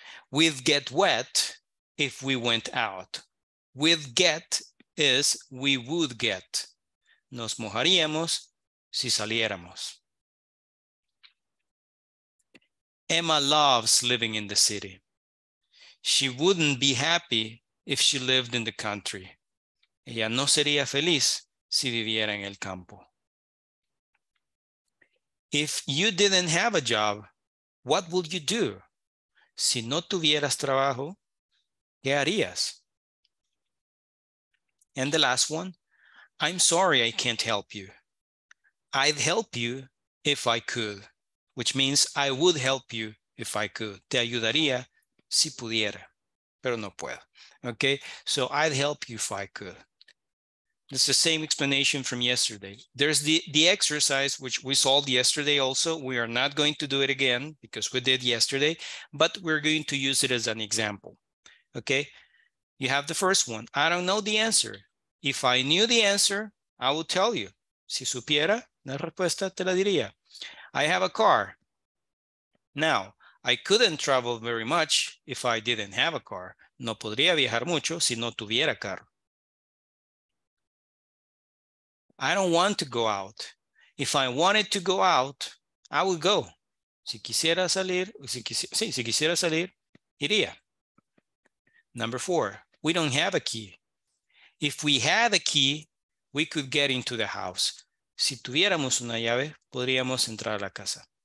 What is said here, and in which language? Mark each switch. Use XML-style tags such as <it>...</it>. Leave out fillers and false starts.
<en>We'd get wet if we went out. We'd get is we would get.</en> <es>Nos mojaríamos si saliéramos.</es> <en>Emma loves living in the city. She wouldn't be happy if she lived in the country.</en> <es>Ella no sería feliz si viviera en el campo.</es> <en>If you didn't have a job, what would you do?</en> <es>Si no tuvieras trabajo, ¿qué harías?</es> <en>And the last one, I'm sorry I can't help you. I'd help you if I could. which means I would help you if I could.</en> <es>Te ayudaría si pudiera, pero no puedo.</es> <en>Okay, so I'd help you if I could. It's the same explanation from yesterday. There's the exercise which we solved yesterday also. We are not going to do it again because we did yesterday, but we're going to use it as an example. Okay, you have the first one. I don't know the answer. If I knew the answer, I would tell you.</en> <es>Si supiera la respuesta, te la diría.</es> <en>I have a car. Now, I couldn't travel very much if I didn't have a car.</en> <es>No podría viajar mucho si no tuviera carro.</es> <en>I don't want to go out. If I wanted to go out, I would go.</en> <es>Si quisiera salir, si quisiera salir, iría.</es> <en>Number four, we don't have a key. If we had a key, we could get into the house.</en> <es>Si tuviéramos una llave, podríamos entrar a la casa.</es>